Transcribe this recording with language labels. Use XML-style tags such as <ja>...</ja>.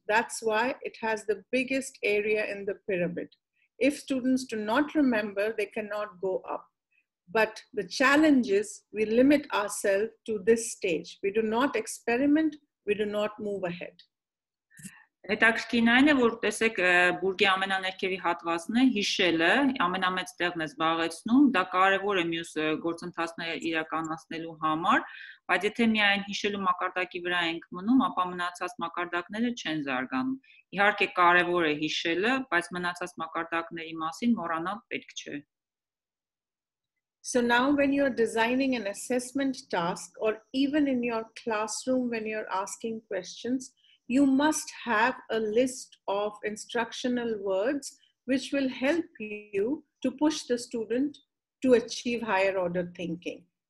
<en>That's why it has the biggest area in the pyramid. If students do not remember, they cannot go up. But the challenge is we limit ourselves to this stage. We do not experiment, we do not move ahead.</en> <hy>Հետաքրքիրն այն է, որ տեսեք, բուրգի ամենաներքևի հատվածն է հիշելը, ամենամեծ տեղն է զբաղեցնում, դա կարևոր է մյուս գործընթացները իրականացնելու համար, բայց եթե միայն հիշելու մակարդակի վրա ենք մնում, ապա մնացած մակարդակները չեն զարգանում։ Իհարկե կարևոր է հիշելը, բայց մնացած մակարդակների մասին մոռանալ պետք չէ։</hy> <en>So now when you're designing an assessment task or even in your classroom when you're asking questions, you must have a list of instructional words which will help you to push the student to achieve higher order thinking.</en>